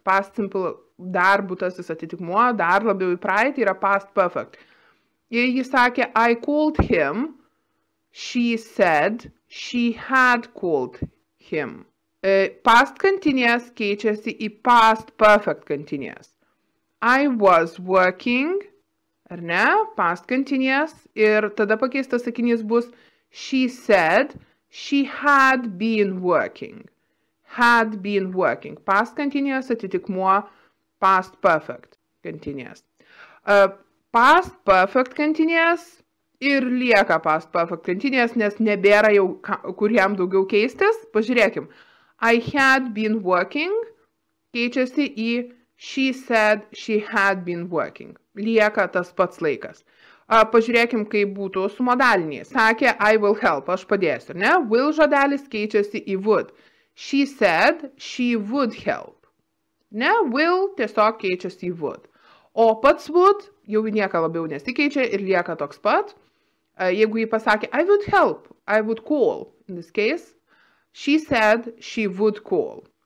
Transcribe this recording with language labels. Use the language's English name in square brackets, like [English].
[Lithuanian] Past simple dar būtasis atitikmuo, dar labiau į praeitį yra past perfect. Jei jis sakė, [English] I called him, she said she had called him. [Lithuanian] Past continuous keičiasi į past perfect continuous. [English] I was working, [Lithuanian] ar ne, [English] past continuous, [Lithuanian] ir tada pakeistas sakinys bus [English] she said she had been working. Had been working. Past continuous atitikmuo past perfect continuous. [Lithuanian] Past perfect continuous ir lieka past perfect continuous, nes nebėra jau kur jam daugiau keistis. Pažiūrėkim. [English] I had been working [Lithuanian] keičiasi į [English] she said she had been working. [Lithuanian] Lieka tas pats laikas. Pažiūrėkim, kaip būtų su modaliniais. Sakė, [English] I will help, [Lithuanian] aš padėsiu, ne? [English] Will [Lithuanian] žodelis keičiasi į [English] would. She said she would help. Ne? [Lithuanian] Will tiesiog keičiasi į would. O pats would jau nieka labiau nesikeičia ir lieka toks pat. Jeigu jį pasakė, [English] I would help, I would call, in this case, she said she would call.